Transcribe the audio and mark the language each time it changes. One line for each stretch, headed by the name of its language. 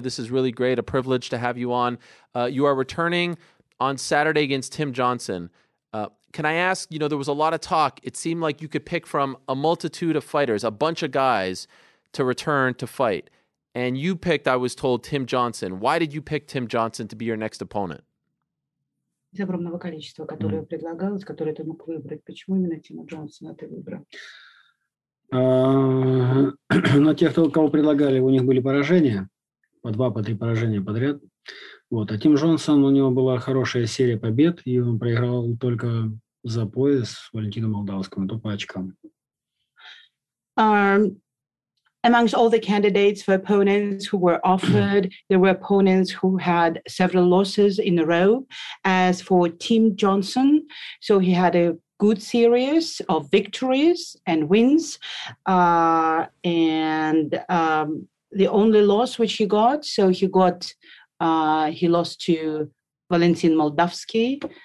English: This is really great. A privilege to have you on. You are returning on Saturday against Tim Johnson. Can I ask, you know, there was a lot of talk. It seemed like you could pick from a multitude of fighters, a bunch of guys to return to fight. And you picked, I was told, Tim Johnson. Why did you pick Tim Johnson to be your next opponent?
Russian: Из огромного количества, которое предлагалось, которое ты мог выбрать, почему именно Тима Джонсона ты выбрал? Но те, кто, кого предлагали, у них были поражения, по 2-3 поражения подряд. Вот. А Тим Джонсон, у него была хорошая серия побед, и он проиграл только за пояс Валентину Молдавскому, то по очкам.
English: Amongst all the candidates for opponents who were offered, there were opponents who had several losses in a row. As for Tim Johnson, so he had a good series of victories and wins. And the only loss which he got, so he got, he lost to Valentin Moldavsky.